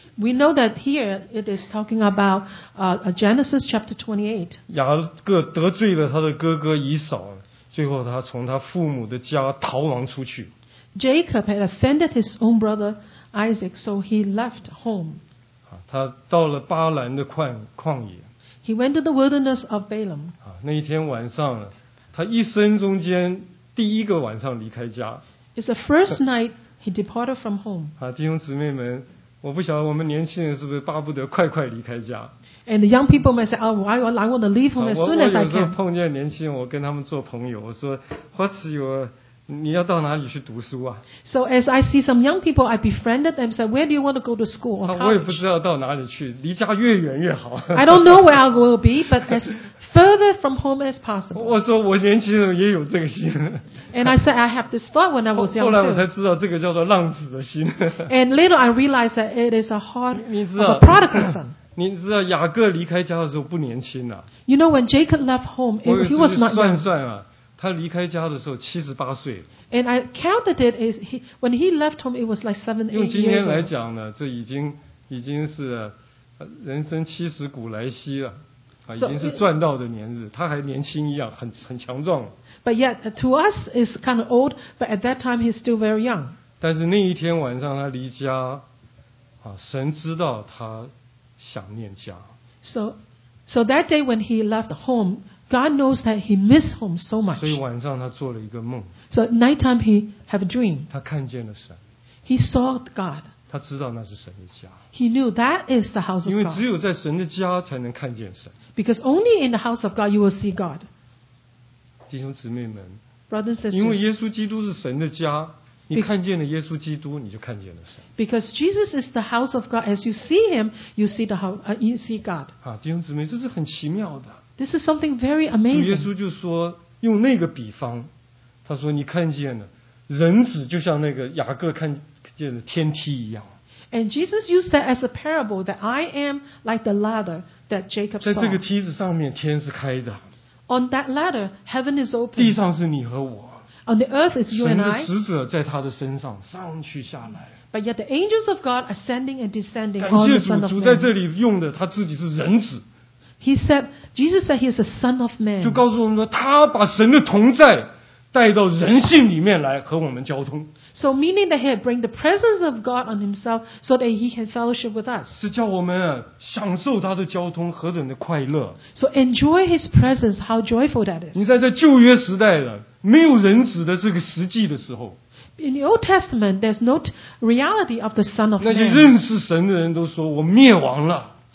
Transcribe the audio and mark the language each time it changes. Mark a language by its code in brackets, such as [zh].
[en] We know that here it is talking about Genesis chapter 28. [zh] 雅各得罪了他的哥哥以扫，最后他从他父母的家逃亡出去。 [en] Jacob had offended his own brother Isaac, so he left home. [zh] 他到了巴兰的旷野。 [en] He went to the wilderness of Balaam. [zh] 那一天晚上，他一生中间第一个晚上离开家。 [en] It's the first night he departed from home. [zh] 弟兄姊妹们，我不晓得我们年轻人是不是巴不得快快离开家。 [en] And the young people might say, oh, I want to leave home as soon as I can. [zh] 我有时候碰见年轻人，我跟他们做朋友，我说 [en] What's your... [zh] 你要到哪里去读书啊？ [en] So as I see some young people, I befriended them, said, where do you want to go to school or college? [zh] 我也不知道到哪里去，离家越远越好。 [en] I don't know where I will be, but as further from home as possible. [zh] 我说我年轻人也有这个心。 [en] And I said, I have this thought when I was young too. [zh] 后来我才知道这个叫做浪子的心。 [en] And later I realized that it is a heart of a prodigal son. [zh] 你知道雅各离开家的时候不年轻啊。 [en] You know, when Jacob left home, he was not young. [zh] 他离开家的时候七十八岁。 [en] And I counted it as when he left home, it was like 7-8 years. [zh] 用今天来讲呢，这已经是人生七十古来稀了，已经是赚到的年日。他还年轻一样，很强壮。 [en] But yet to us is kind of old, but at that time he's still very young. [zh] 但是那一天晚上他离家，神知道他想念家。 [en] So that day when he left home. God knows that he missed home so much. [zh] 所以晚上他做了一个梦。 [en] So at night time he had a dream. [zh] 他看见了神。 [en] He saw God. [zh] 他知道那是神的家。 [en] He knew that is the house of God. [zh] 因为只有在神的家才能看见神。 [en] Because only in the house of God you will see God. [zh] 弟兄姊妹们。 [en] Brothers and sisters. [zh] 因为耶稣基督是神的家，你看见了耶稣基督，你就看见了神。 [en] Because Jesus is the house of God, as you see him, you see the house, you see God. [zh] 弟兄姊妹，这是很奇妙的。 [en] This is something very amazing. [zh] 主耶稣就说，用那个比方，他说你看见了，人子就像那个雅各看见了天梯一样。 [en] And Jesus used that as a parable that I am like the ladder that Jacob saw. [zh] 在这个梯子上面，天是开的。 [en] On that ladder, heaven is open. [zh] 地上是你和我。 [en] On the earth is you and I. [zh] 神的使者在他的身上上去下来。 [en] But yet the angels of God ascending and descending. [zh] 感谢主，主在这里用的他自己是人子。 [en] He said, Jesus said he is the Son of Man. [zh] 就告诉我们说，他把神的同在带到人性里面来和我们交通。 [en] So meaning that he bring the presence of God on himself so that he can fellowship with us. [zh] 是叫我们享受他的交通何等的快乐。 [en] So enjoy his presence, how joyful that is. [zh] 你在这旧约时代的没有人子的这个实际的时候。 [en] In the Old Testament, there's no reality of the Son of Man. [zh] 那些认识神的人都说我灭亡了。